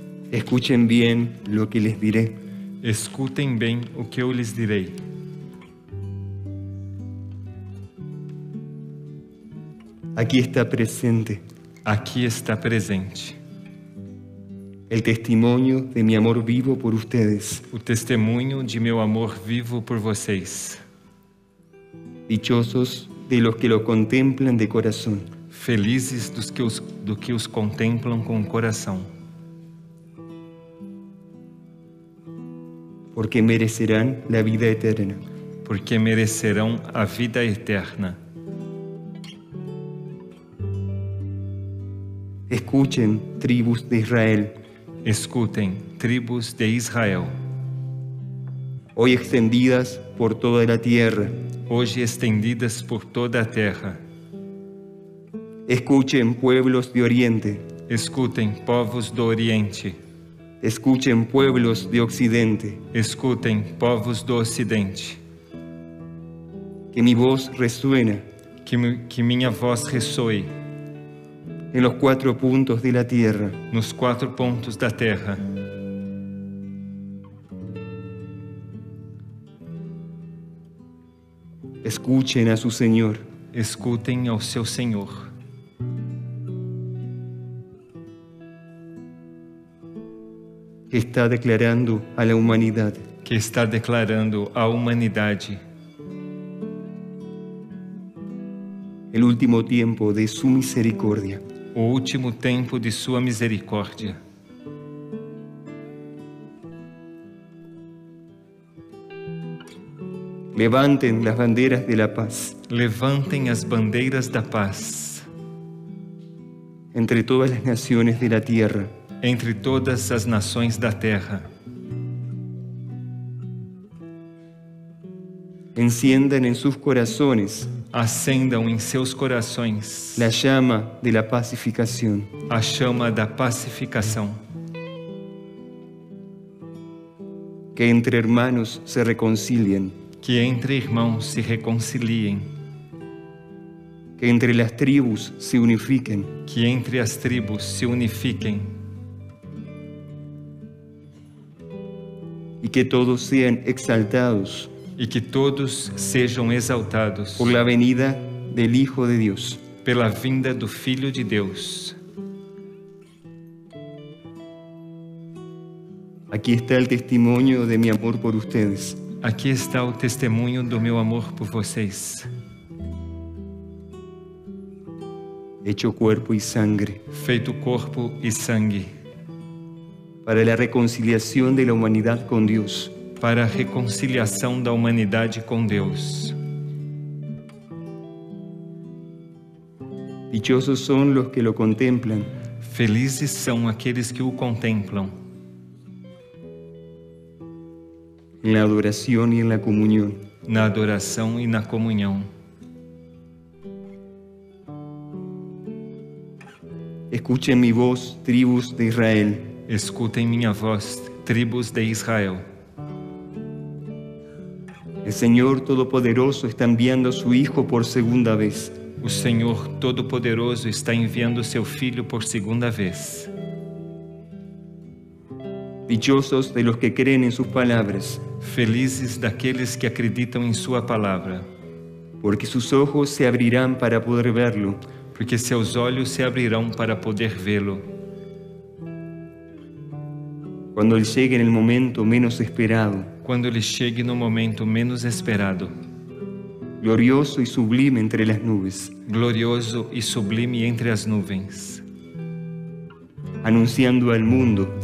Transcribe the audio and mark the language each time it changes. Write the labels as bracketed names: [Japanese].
[Spanish] escuchen bien lo que les diré. [Portuguese] Escutem bem o que eu lhes direi. Aqui está presente. Aqui está presente. [Spanish] El testimonio de mi amor vivo por ustedes. [Portuguese] O testemunho de meu amor vivo por vocês. [Spanish] Dichosos de los que lo contemplan de corazón. [Portuguese] Felizes dos que os do que os contemplam com o coração. [Spanish] Porque merecerán la vida eterna. [Portuguese] Porque merecerão a vida eterna. [Spanish] Escuchen, tribus de Israel. [Portuguese] Escutem, tribos de Israel. [Spanish] Hoy extendidas por toda la tierra. [Portuguese] Hoje estendidas por toda a terra. [Spanish] Escuchen, pueblos de Oriente. [Portuguese] Escutem, povos do Oriente. [Spanish] Escuchen, pueblos de Occidente. [Portuguese] Escutem, povos do Ocidente. [Spanish] Que mi voz resuene. [Portuguese] Que minha voz ressoe. [Spanish] En los cuatro puntos de la tierra. [Portuguese] Nos quatro pontos da terra. [Spanish] Escuchen a su Señor. [Portuguese] Escutem ao seu Senhor. [Spanish] Que está declarando a la humanidad. [Portuguese] Que está declarando a humanidade. [Spanish] El último tiempo de su misericordia. [Portuguese] O último tempo de sua misericórdia. Levantem as bandeiras [Spanish] de la paz. [Portuguese] Levantem as bandeiras da paz. Entre todas as nações da terra. Entre todas as nações da terra. [Spanish] Enciendan en sus corazones. [Portuguese] Acendam em seus corações [Spanish] la chama de la pacificación. [Portuguese] A chama da pacificação. [Spanish] Que entre hermanos se reconcilien. [Portuguese] Que entre irmãos se reconciliem. [Spanish] Que entre las tribus se unifiquen. [Portuguese] Que entre as tribos se unifiquem. E que todos sejam exaltados. E que todos sejam exaltados [Spanish] por la venida del Hijo de Dios. [Portuguese] Pela vinda do Filho de Deus. [Spanish] Aqui está el testimonio de mi amor por ustedes. [Portuguese] Aqui está o testemunho do meu amor por vocês. [Spanish] Hecho cuerpo y sangre. [Portuguese] Feito corpo e sangue. [Spanish] Para la reconciliación de la humanidad con Dios. [Portuguese] Para a reconciliação da humanidade com Deus. [Spanish] Dichosos son los que lo contemplan. [Portuguese] Felizes são aqueles que o contemplam. Na adoração e na comunhão. Na adoração e na comunhão. [Spanish] Escuchen mi voz, tribus de Israel. [Portuguese] Escutem minha voz, tribos de Israel. [Spanish] El Señor Todopoderoso está enviando a su Hijo por segunda vez. [Portuguese] O Senhor Todo-Poderoso está enviando seu Filho por segunda vez. [Spanish] Dichosos de los que creen en sus palabras. [Portuguese] Felizes daqueles que acreditam em sua palavra. [Spanish] Porque sus ojos se abrirán para poder verlo. [Portuguese] Porque seus olhos se abrirão para poder vê-lo. [Spanish] Cuando él llegue en el momento menos esperado. Cuando él llegue en un momento menos esperado. Glorioso y sublime entre las nubes. Glorioso y sublime entre las nubes. Anunciando al mundo.